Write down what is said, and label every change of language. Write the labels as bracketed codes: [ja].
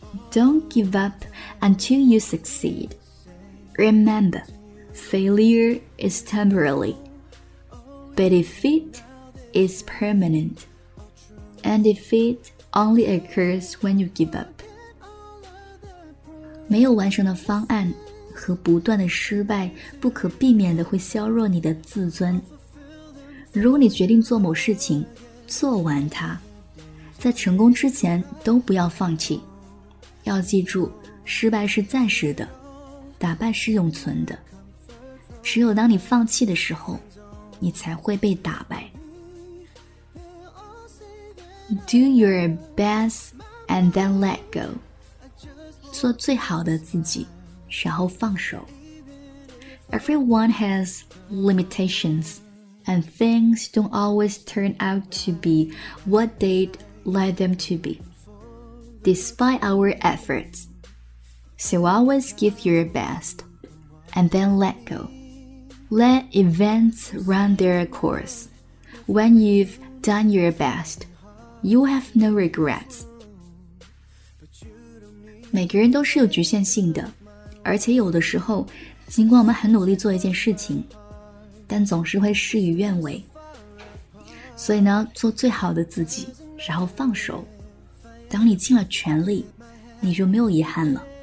[en] Don't give up until you succeed. Remember, failure is temporary. But defeat is permanent, and defeat only occurs when you give up. [zh] 没有完成的方案和不断的失败不可避免地会削弱你的自尊。如果你决定做某事情，做完它，在成功之前都不要放弃。要记住，失败是暂时的，打败是永存的。只有当你放弃的时候，你才会被打败。 [en] Do your best and then let go. [zh] 做最好的自己，然后放手。 [en] Everyone has limitations, and things don't always turn out to be what they'd like them to be. Despite our efforts, so always give your best and then let go. Let events run their course. When you've done your best, you have no regrets. [zh] 每个人都是有局限性的，而且有的时候，尽管我们很努力做一件事情，但总是会事与愿违。所以呢，做最好的自己，然后放手。当你尽了全力，你就没有遗憾了。